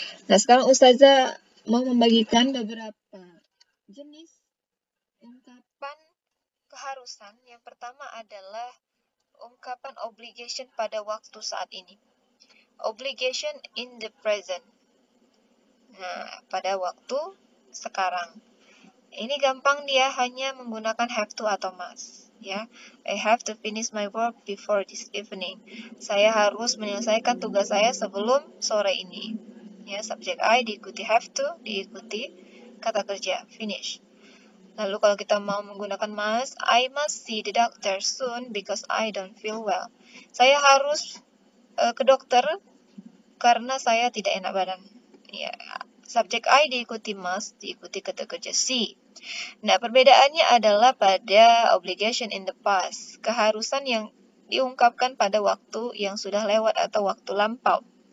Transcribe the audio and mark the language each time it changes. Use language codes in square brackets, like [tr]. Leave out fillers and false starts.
[id] Nah, sekarang Ustazah mau membagikan beberapa jenis ungkapan keharusan. Yang pertama adalah ungkapan obligation pada waktu saat ini. [en] Obligation in the present. [id] Nah, pada waktu sekarang. Ini gampang dia, hanya menggunakan have to atau must. [en] Ya, I have to finish my work before this evening. [id] Saya harus menyelesaikan tugas saya sebelum sore ini. Ya, subjek I diikuti have to, diikuti kata kerja, finish. Lalu kalau kita mau menggunakan must, [en] I must see the doctor soon because I don't feel well. [id] Saya harus ke dokter karena saya tidak enak badan. Ya, subjek I diikuti must, diikuti kata kerja see. Nah, perbedaannya adalah pada [en] obligation in the past, [id] keharusan yang diungkapkan pada waktu yang sudah lewat atau waktu lampau.